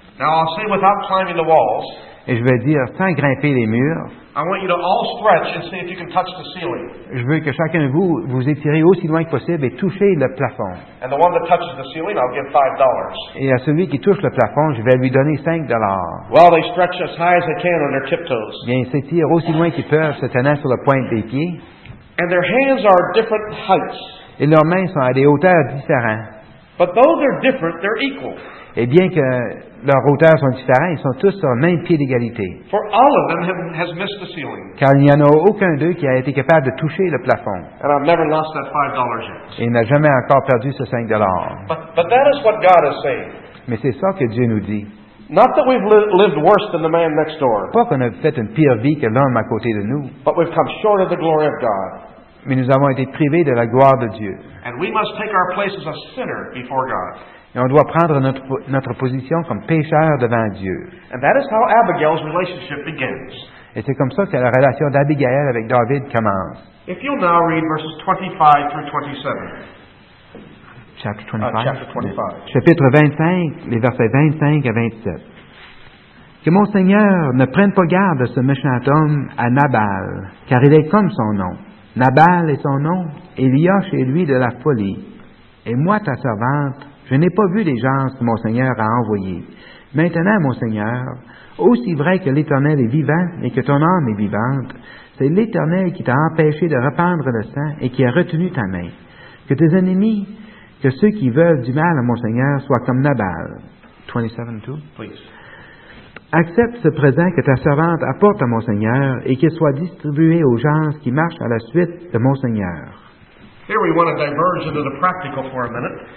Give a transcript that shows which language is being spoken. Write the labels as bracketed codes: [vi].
[en] Now I'll say without climbing the walls. [fr] et je vais dire, sans grimper les murs, [en] I want you to all stretch and see if you can touch the ceiling. [fr] Je veux que chacun de vous vous étirez aussi loin que possible et touchez le plafond. [en] And the one that touches the ceiling, I'll give $5. [fr] Et à celui qui touche le plafond, je vais lui donner $5. [en] Well, they stretch as high as they can on their tiptoes. [fr] Bien, ils s'étirent aussi loin qu'ils peuvent, se tenant sur la pointe des pieds. [en] And their hands are at different heights. [fr] Et leurs mains sont à des hauteurs différentes. [en] But though they're different, they're equal. [fr] Et bien que leurs hauteurs sont différentes, ils sont tous sur le même pied d'égalité. [en] For all of them has missed the ceiling. [fr] Car il n'y en a aucun d'eux qui a été capable de toucher le plafond. [en] And I've never lost that $5 yet. [fr] Et il n'a jamais encore perdu ce $5. [en] But that is what God is saying. [fr] Mais c'est ça que Dieu nous dit. [en] Not that we've lived worse than the man next door. [fr] Pas qu'on a fait une pire vie que l'homme à côté de nous. [en] But we've come short of the glory of God. [fr] Mais nous avons été privés de la gloire de Dieu. [en] And we must take our place as a sinner before God. [fr] Et on doit prendre notre position comme pécheur devant Dieu. [en] And that is how Abigail's relationship begins. [fr] Et c'est comme ça que la relation d'Abigail avec David commence. [en] If you'll now read verses 25 through 27. Chapter 25. [fr] Chapitre 25, les versets 25 à 27. Que mon Seigneur ne prenne pas garde de ce méchant homme à Nabal, car il est comme son nom. Nabal est son nom, et il y a chez lui de la folie. Et moi, ta servante, je n'ai pas vu les gens que mon Seigneur a envoyés. Maintenant, mon Seigneur, aussi vrai que l'Éternel est vivant et que ton âme est vivante, c'est l'Éternel qui t'a empêché de répandre le sang et qui a retenu ta main. Que tes ennemis, que ceux qui veulent du mal à mon Seigneur soient comme Nabal. 27.2. [en] Please. [fr] Accepte ce présent que ta servante apporte à mon Seigneur et qu'il soit distribué aux gens qui marchent à la suite de mon Seigneur. [en] Here we want to diverge into the practical for a minute.